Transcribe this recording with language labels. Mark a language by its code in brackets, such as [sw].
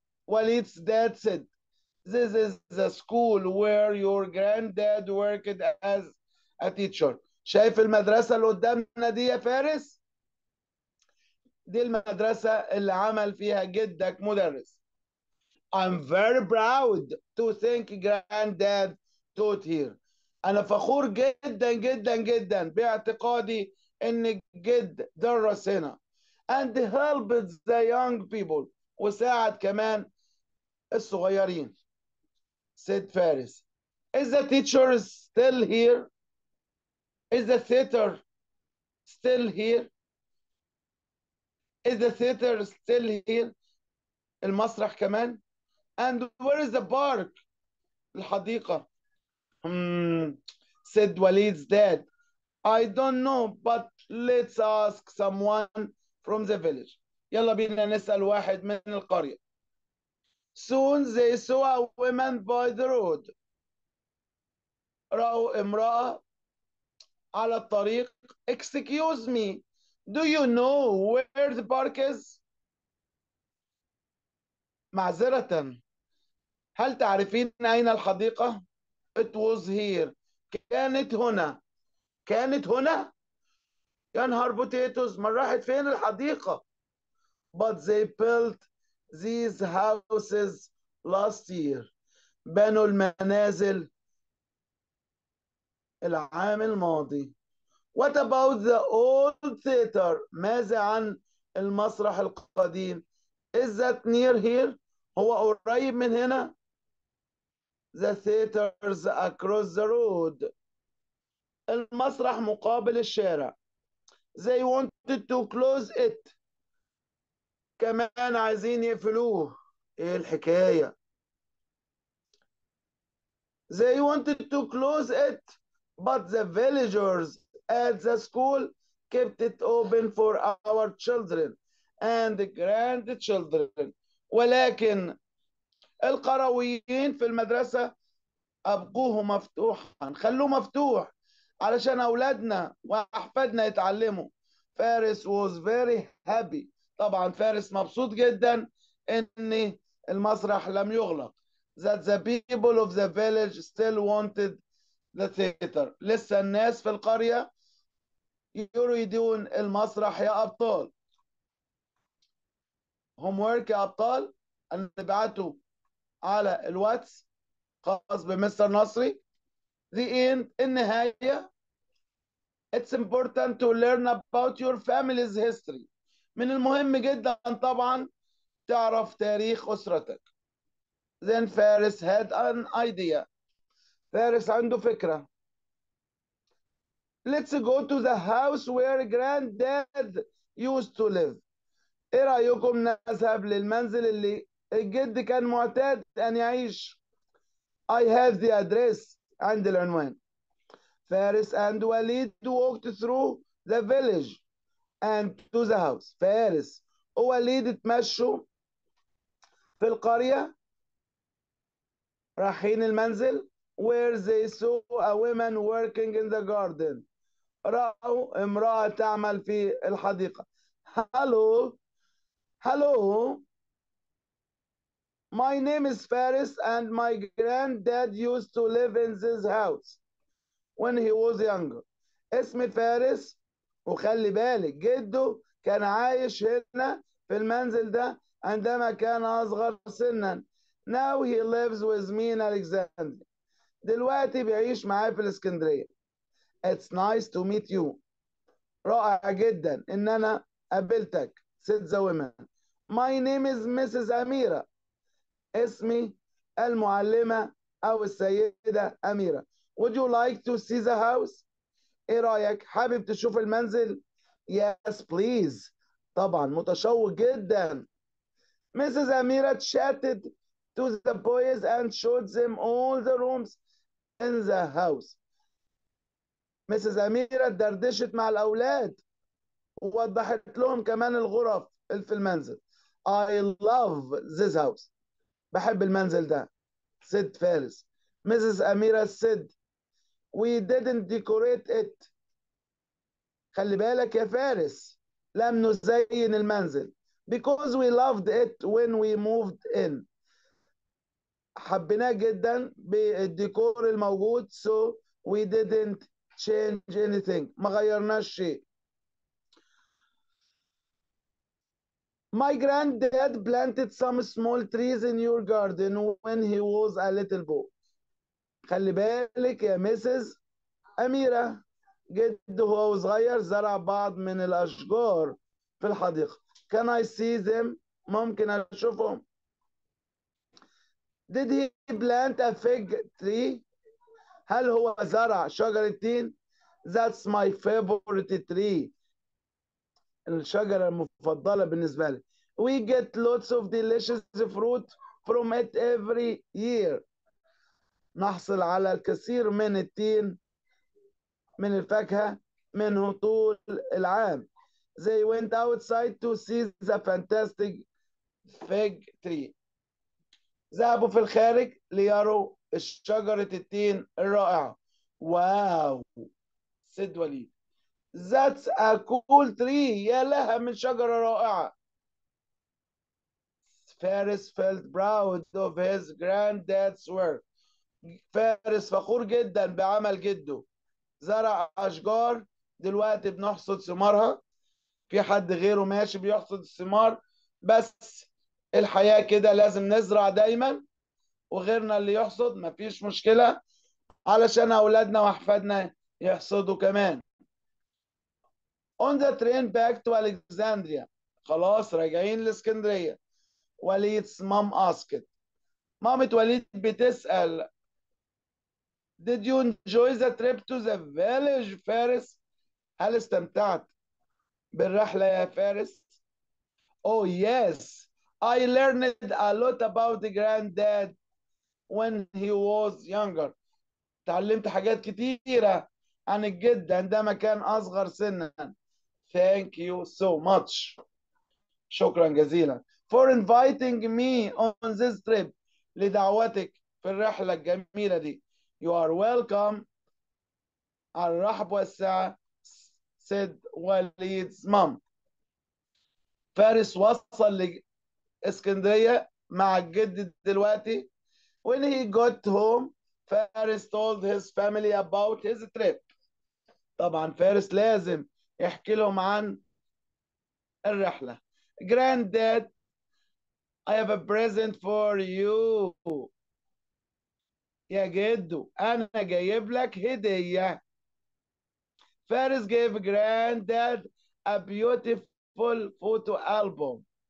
[en] وليد's dad said this is the school where your granddad worked as a teacher، [ar] شايف المدرسة اللي قدامنا دي يا فارس؟ دي المدرسة اللي عمل فيها جدك مدرس. [en] I'm very proud to think granddad taught here، [ar] أنا فخور جدا جدا جدا باعتقادي إن الجد درس هنا. [en] And helped the young people، [ar] وساعد كمان الصغيرين. [en] said Faris. Is the teacher still here؟ Is the theater still here؟ Is the theater still here؟ [ar] المسرح كمان؟ [en] And where is the park؟ الحديقة. said Walid's dad. I don't know but let's ask someone from the village. [ar] يلا بينا نسأل واحد من القرية. [en] Soon they saw a woman by the road. [ar] رأوا امرأة على الطريق. [en] Excuse me, do you know where the park is؟ [ar] معذرة، هل تعرفين أين الحديقة؟ [en] It was here، [ar] كانت هنا، كانت هنا. يا نهار بوتيتوز، ما راحت فين الحديقة؟ [en] But they built these houses last year، [ar] بنوا المنازل العام الماضي. [en] What about the old theater، [ar] ماذا عن المسرح القديم؟ [en] Is that near here، [ar] هو قريب من هنا؟ [en] The theaters across the road، [ar] المسرح مقابل الشارع. [en] They wanted to close it، [ar] كمان عايزين يقفلوه. ايه الحكاية؟ [en] They wanted to close it but the villagers at the school kept it open for our children and grandchildren، [ar] ولكن القرويين في المدرسة أبقوه مفتوحا، خلوه مفتوح علشان أولادنا وأحفادنا يتعلموا. [en] Faris was very happy، [ar] طبعا فارس مبسوط جدا إن المسرح لم يغلق. [en] That the people of the village still wanted the theater، [ar] لسه الناس في القرية يريدون المسرح يا أبطال. Homework يا أبطال، اللي بعته على الواتس خاص بمستر نصري. [en] The end، النهاية. It's important to learn about your family's history، [ar] من المهم جدا طبعا تعرف تاريخ أسرتك. [en] Then Faris had an idea، [ar] فارس عنده فكرة. [en] Let's go to the house where granddad used to live، [ar] إيه رأيكم نذهب للمنزل اللي الجد كان معتاد أن يعيش. [en] I have the address، [ar] عند العنوان. [en] Faris and Walid walked through the village and to the house، [ar] فارس ووليد تمشوا في القرية رايحين المنزل [en] where they saw a woman working in the garden. [ar] رأوا امرأة تعمل في الحديقة. [en] Hello, hello. My name is Faris and my granddad used to live in this house when he was younger. [ar] اسمي فارس وخلي بالك جده كان عايش هنا في المنزل ده عندما كان أصغر سنا. [en] Now he lives with me in Alexandria. [ar] دلوقتي بيعيش معايا في الإسكندرية. [en] It's nice to meet you. [ar] رائع جدا إن أنا قابلتك. [en] Said the woman. My name is Mrs. Amira. [ar] اسمي المعلمة أو السيدة أميرة. [en] Would you like to see the house? [ar] إيه رأيك؟ حابب تشوف المنزل؟ [en] Yes, please. [ar] طبعا متشوق جدا. [en] Mrs. Amira chatted to the boys and showed them all the rooms in the house. Mrs. [ar] Amira دردشت مع الأولاد ووضحت لهم كمان الغرف في المنزل. [en] I love this house. [ar] بحب المنزل ده. [en] Said Faris. Mrs. Amira said, We didn't decorate it. [ar] خلي بالك يا فارس. لم نزين المنزل. [en] Because we loved it when we moved in. [ar] حبيناه جدا بالديكور الموجود. [en] So we didn't change anything. [ar] ما غيرناش شيء. [en] My granddad planted some small trees in your garden when he was a little boy. [ar] خلي بالك يا ميسيس أميرة. جده هو صغير زرع بعض من الأشجار في الحديقة. [en] Can I see them? [ar] ممكن أشوفهم. [en] Did he plant a fig tree? [ar] هل هو زرع شجر التين؟ [en] That's my favorite tree. [ar] الشجرة المفضلة بالنسبة لي. [en] We get lots of delicious fruit from it every year. [ar] نحصل على الكثير من التين من الفاكهة منه طول العام. [en] They went outside to see the fantastic fig tree. [ar] ذهبوا في الخارج ليروا شجرة التين الرائعة. واو سيد وليد. [en] That's a cool tree. [ar] يا لها من شجرة رائعة. [en] Faris felt proud of his granddad's work. [ar] فارس فخور جدا بعمل جده. زرع أشجار دلوقتي بنحصد ثمارها. في حد غيره ماشي بيحصد الثمار بس الحياة كده لازم نزرع دايما وغيرنا اللي يحصد مفيش مشكلة علشان أولادنا وأحفادنا يحصدوا كمان. [en] On the train back to Alexandria. [ar] خلاص راجعين لإسكندرية. [en] Walid's mom asked. [ar] مامة وليد بتسأل. [en] Did you enjoy the trip to the village, Faris? [ar] هل استمتعت بالرحلة يا فارس؟ [en] Oh yes, I learned a lot about the granddad when he was younger. [ar] تعلمت حاجات كتيرة عن الجد عندما كان أصغر سنا. [en] Thank you so much. [ar] شكرا جزيلا. [en] For inviting me on this trip. [ar] لدعوتك في الرحلة الجميلة دي. [en] You are welcome. [ar] على الرحب والسعة. [en] Said Walid's mom. [ar] فارس وصل لإسكندرية مع الجد دلوقتي. [en] When he got home, Faris told his family about his trip. [ar] طبعا فارس لازم يحكي لهم عن الرحلة. [en] Granddad, I have a present for you. [ar] يا جدو أنا جايب لك هدية. [en] Faris gave granddad a beautiful photo album.